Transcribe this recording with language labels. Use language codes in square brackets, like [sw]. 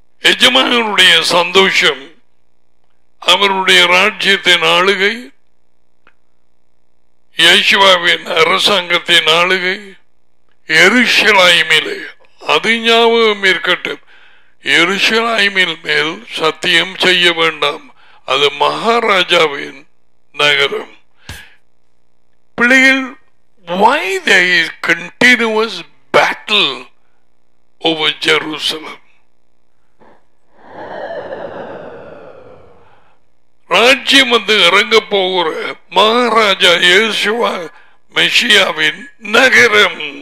[ta] எஜமானருடைய சந்தோஷம் அவருடைய ராஜ்யத்தின் ஆளுகை, யேசுவாவின் அரசாங்கத்தின் ஆளுகை, எருசலாய்மிலே, அது ஞாபகம் இருக்கட்டும், எருசலாய்மில் மேல் சத்தியம் செய்ய வேண்டாம், அது மகாராஜாவின் நகரம். பிள்ளைகள், [en] why there is continuous battle over Jerusalem? [ta] ராஜ்யம் வந்து இறங்க போகிற மகாராஜா யேசுவா மெஷியாவின் நகரம்.